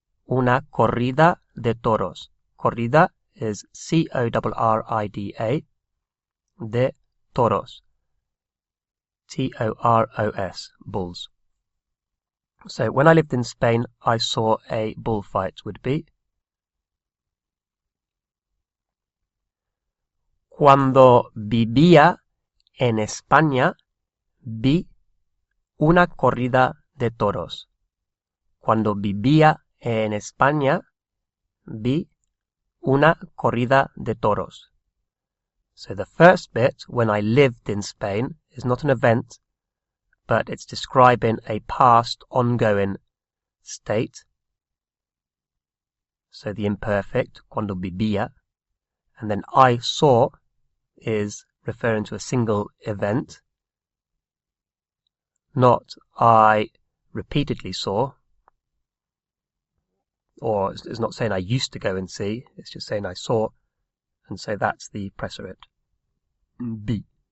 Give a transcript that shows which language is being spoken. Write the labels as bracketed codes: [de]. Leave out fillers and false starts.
[es] Una corrida de toros. Corrida is C-O-R-R-I-D-A. De toros. T-O-R-O-S. Bulls. [en] So when I lived in Spain, I saw a bullfight would be. [es] Cuando vivía en España, vi una corrida de toros. Cuando vivía en España, vi una corrida de toros. [en] So the first bit, when I lived in Spain, is not an event, but it's describing a past ongoing state. So the imperfect, [es] cuando vivía, [en] and then I saw is referring to a single event, not I repeatedly saw, or it's not saying I used to go and see, it's just saying I saw, and so that's the preterite, B.